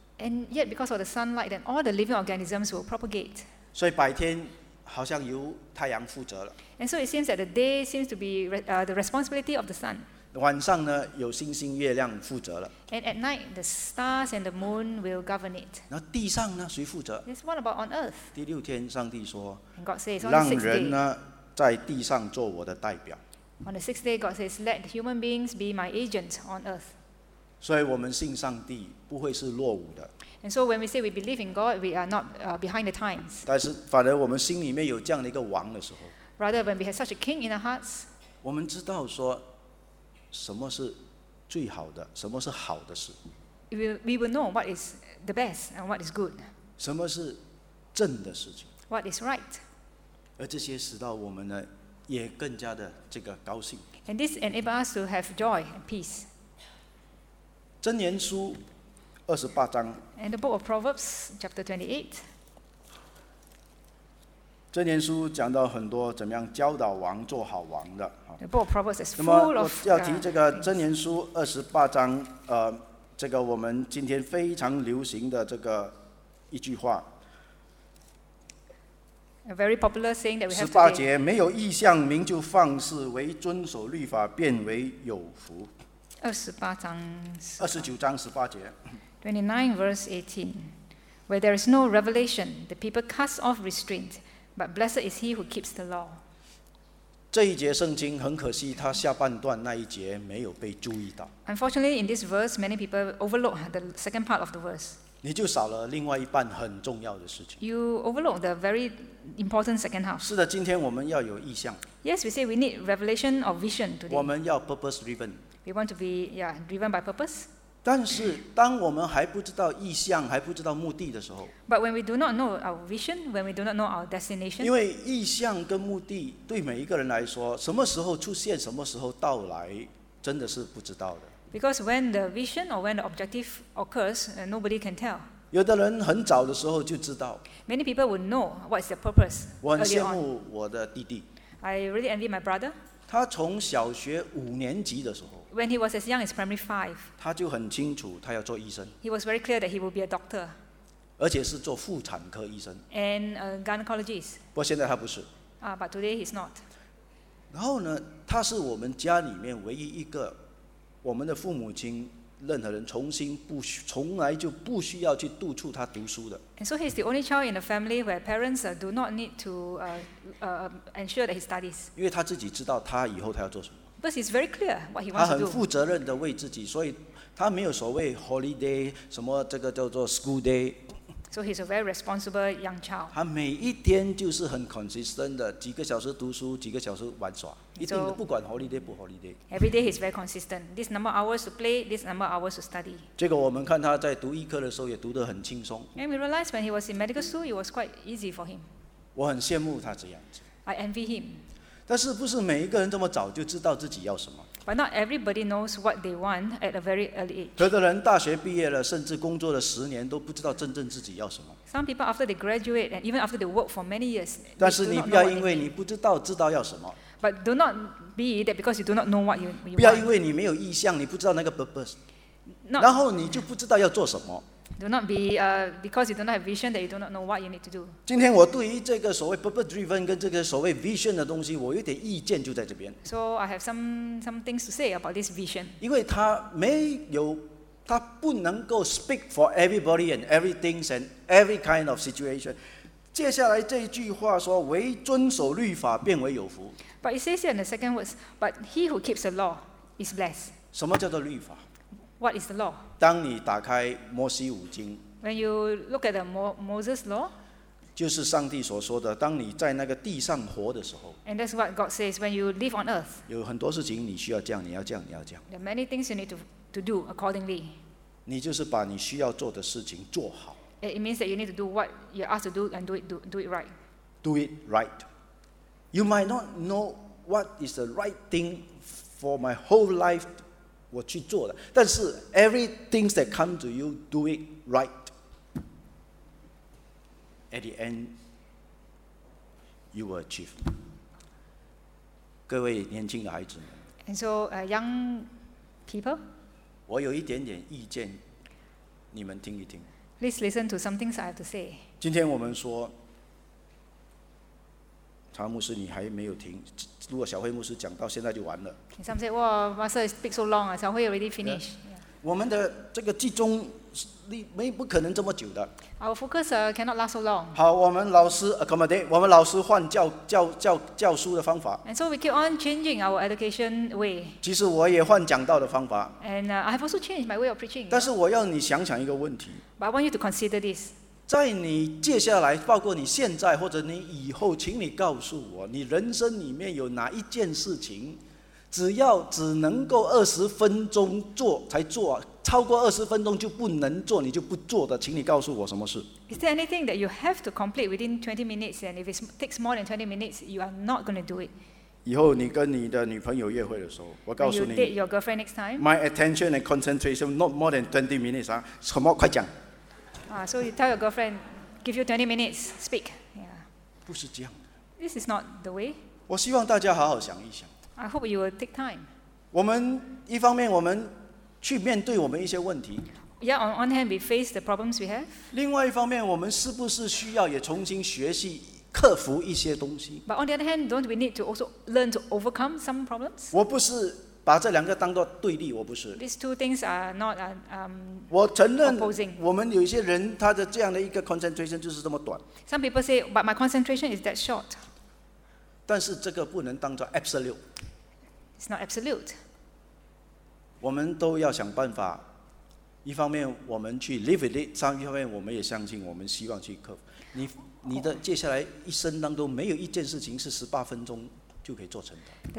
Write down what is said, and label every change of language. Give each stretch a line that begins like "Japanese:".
English: and yet because of the sunlight then all the living organisms will propagate
Chinese: 所以白天好像由太阳负责了
English: and so it seems that the day seems to be the responsibility of the sun
Chinese: 晚上呢有星星月亮负责了
English: and at night the stars and the moon will govern it
Chinese: 那地上呢谁负责
English: yes, what about on earth
Chinese: 第六天上帝说
English: and God says,
Chinese: 让人呢在地上做我的代表
English: on the sixth day God says let human beings be my agent on earth
Chinese: 所以我们信上帝不会是落伍的
English: and so when we say we believe in God we are not behind the times
Chinese: 但是反而我们心里面有这样的一个王的时候
English: rather when we have such a king in our hearts
Chinese: 我们知道说什么是最好的？什么是好的事
English: ？We will know what is the best and what is good.
Chinese: 什么是正的事情
English: ？What is right?
Chinese: 而这些使到我们呢，也更加的这个高兴。
English: And this enables us to have joy and peace.
Chinese: 箴言书二十八章。
English: And the book of Proverbs, chapter 28.
Chinese: 箴言书讲到很多怎么样教导王做好王的。
English: The book of Proverbs is full of
Chinese: 那么我要提这个箴言书二十八章，这个我们今天非常流行的这个一句话。
English: A very popular saying that we have today.
Chinese: 十八节没有异象，民就放肆；唯遵守律法，变为有福。二十九章十八节。
English: 29:18, where there is no revelation, the people cast off restraint, but blessed is he who keeps the law.
Chinese: 这一节圣经很可惜，它下半段那一节没有被注意到。
English: Unfortunately, in this verse, many people overlook the second part of the verse.
Chinese: 你就少了另外一半很重要的事情。
English: You overlook the very important second half.
Chinese: 是的，今天我们要有意象。
English: Yes, we say we need revelation or vision today.
Chinese: 我们要
English: purpose driven. We want to be, yeah, driven by purpose.
Chinese: 但是当我们还不知道意象，还不知道目的的时候
English: ，But when we do not know our vision, when we do not know our destination,
Chinese: 因为意象跟目的对每一个人来说，什么时候出现，什么时候到来，真的是不知道的。
English: Because when the vision or when the objective occurs, nobody can tell.
Chinese: 有的人很早的时候就知道
English: ，Many people would know what's their purpose.
Chinese: 我很羡慕我的弟弟
English: ，I really envy my brother.
Chinese: 他从小学五年级的时候。
English: When he was as young as primary five,
Chinese: 他就很清楚他要做医生。
English: He was very clear that he would be a doctor.
Chinese: 而且是做妇产科医生。
English: And a gynecologist.
Chinese: 不过现在他不是。
English: But today he's not.
Chinese: 然后呢，他是我们家里面唯一一个，我们的父母亲任何人从来就不需要去督促他读书的。
English: And so he's the only child in the family where parents do not need to ensure that he studies.
Chinese: 因为他自己知道他以后他要做什么。
English: Because it's very clear what he wants to do.
Chinese: 他很负责任的为自己，所以他没有所谓 holiday 什么这个叫做 school day.
English: So he's a very responsible young child.
Chinese: 他每一天就是很 consistent 的，几个小时读书，几个小时玩耍，一定不管 holiday 不 holiday.
English: Every day he's very consistent. This number of hours to play, this number of hours to study.
Chinese: 结果我们看他在读医科的时候也读得很轻松。
English: And we realized when he was in medical school, it was quite easy for him.
Chinese: 我很羡慕他这样子。
English: I envy him.
Chinese: 但是不是每一个人这么早就知道自己要什么
English: ？But not everybody knows what they want at a very early age.
Chinese: 有的人大学毕业了，甚至工作了十年都不知道真正自己要什么。
English: Some people after they graduate and even after they work for many years, they do not know.
Chinese: 但是你不要因为你不知道知道要什么。
English: But do not be that because you do not know what you want.
Chinese: 不要因为你没有意向，你不知道那个 purpose， 然后你就不知道要做什么。
English: Do not be because you do not have vision that you do not know what you need to do.
Chinese: 今天我对于这个所谓
English: purpose driven
Chinese: 跟这个所谓 vision 的东西，我有点意见就在这边。
English: So I have some things to say about this vision.
Chinese: 因为它没有，它不能够
English: speak for everybody and everything and every kind of situation.
Chinese: 接下来这一句话说，唯遵守律法变为有福。
English: But it says here in the second verse, but he who keeps the law is blessed.
Chinese: 什么叫做律法？
English: What is the law?
Chinese: 当你打开摩西五经
English: When you look at the Moses law,
Chinese: 就是上帝所说的，当你在那个地上活的时候。
English: And that's what God says when you live on earth.
Chinese: 有很多事情你需要这样，你要这样，你要这样。
English: There are many things you need to do accordingly.
Chinese: 你就是把你需要做的事情做好。
English: It means that you need to do what you're asked to do and do it right. Do it right. You might not know what is the right thing for my whole life.
Chinese: 我去做的，但是
English: everything that comes to you, do it right. At the end, you will achieve.
Chinese: 各位年轻的孩子们
English: ，And so, young people,
Chinese: 我有一点点意见，你们听一听。
English: Please listen to some things I have to say.
Chinese: 今天我们说，常牧师你还没有听，如果小慧牧师讲到现在就完了。
English: Some say, "Wow, Master speaks so long. Ah, 小慧 already finished." Yeah. Yeah.
Chinese: 我们的这个集中。你不可能这么久的。
English: Our focus cannot last so long.
Chinese: 好，我们老师 accommodate， 我们老师换教书的方法。
English: And so we keep on changing our education way.
Chinese: 其实我也换讲道的方法。
English: And I have also changed my way of preaching.
Chinese: 但是我要你想想一个问题。
English: But I want you to consider this.
Chinese: 在你接下来，包括你现在或者你以后，请你告诉我，你人生里面有哪一件事情，只要只能够二十分钟做才做。超过二十分钟就不能做，你就不做的，请你告诉我什么事。
English: Is there anything that you have to complete within 20 minutes? And if it takes more than 20 minutes, you are not going to do it.
Chinese: 以后你跟你的女朋友约会的时候，我告诉你。
English: When you date your girlfriend next time. My attention and concentration not more than 20 minutes.
Chinese: 啊，什么快讲。
English: So you tell your girlfriend, give you 20 minutes, speak. Yeah.
Chinese: 不是这样。
English: This is not the way.
Chinese: 我希望大家好好想一想。
English: I hope you will take time.
Chinese: 我们一方面我们。去面对我们一些问题。
English: Yeah, on one hand, we face the problems we have.
Chinese: 另外一方面，我们是不是需要也重新学习克服一些东西
English: ？But on the other hand, don't we need to also learn to overcome some problems?
Chinese: 我不是把这两个当作对立，我不是。
English: These two things are not
Chinese: 我承认，我们有一些人他的这样的一个 concentration 就是这么短。
English: Some people say, but my concentration is that short.
Chinese: 但是这个不能当作 absolute.
English: It's not absolute.
Chinese: 我们都要想办法，一方面我们去
English: live with it，
Chinese: 上一方面我们也相信，我们希望去克服。你的接下来一生当中，没有一件事情是十八分钟就可以做成的。